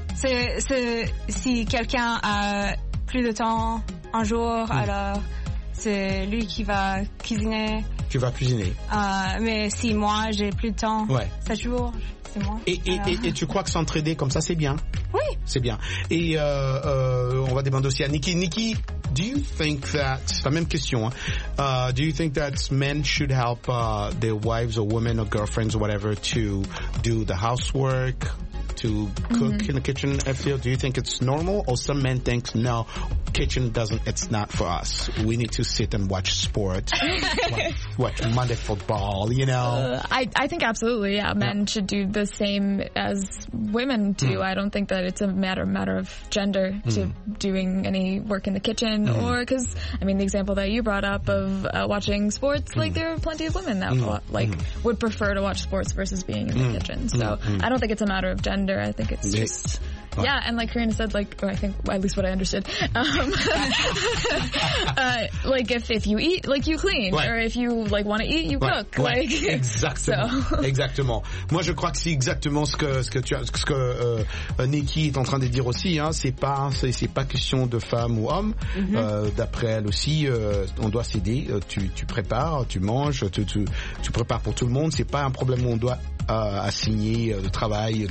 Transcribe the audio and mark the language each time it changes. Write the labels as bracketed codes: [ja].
[fr] C'est si quelqu'un a plus de temps un jour, alors c'est lui qui va cuisiner. Tu vas cuisiner. Mais si moi j'ai plus de temps, ouais. 7 jours, c'est moi. Et tu crois que s'entraider comme ça, c'est bien? Oui. C'est bien. Et on va demander aussi à Nikki. [en] Nikki, do you think that, [fr] c'est la même question, hein, [en] do you think that men should help their wives or women or girlfriends or whatever to do the housework? To cook in the kitchen, I feel. Do you think it's normal, or some men think no, kitchen doesn't. It's not for us. We need to sit and watch sport, watch Monday football. You know. I think absolutely. Yeah, men should do the same as women do. Mm. I don't think that it's a matter of gender to doing any work in the kitchen, or because I mean the example that you brought up of watching sports. Like there are plenty of women that would prefer to watch sports versus being in the kitchen. So I don't think it's a matter of gender. I think it's just... Right. Yeah, and like Karina said, like, or I think, at least what I understood, if you eat, like, you clean. Right. Or if you, like, want to eat, you cook. Right. Like, [fr] exactement. So. Exactement. Moi, je crois que c'est exactement ce que Nikki est en train de dire aussi, hein. C'est pas question de femme ou homme. Mm-hmm. D'après elle aussi, on doit s'aider. Tu prépares, tu manges, tu prépares pour tout le monde. C'est pas un problème où on doit assigner le travail.